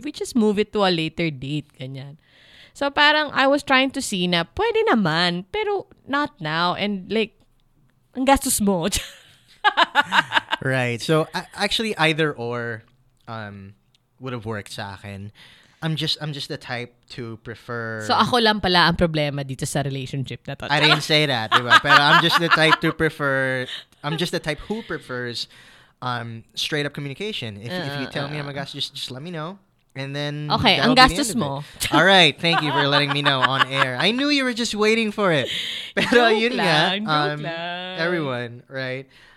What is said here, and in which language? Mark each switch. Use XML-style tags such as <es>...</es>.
<en>We just move it to a later date. Ganyan. So parang I was trying to see na pwede naman, pero not now.</en> <tl>And like, ang gastos mo.</tl> <en>Right. So actually either or would have worked sa akin. I'm just the type to prefer.</en> <tl>So ako lang pala ang problema dito sa relationship na to.</tl> <en>I didn't say that, diba? Pero I'm just the type who prefers straight up communication. If you tell me I'm a gastos, just let me know. And then</en> <tl>okay, ang gastos mo.</tl> <en>All right, thank you for letting me know on air. I knew you were just waiting for it. Pero yun nga, everyone, right?</en>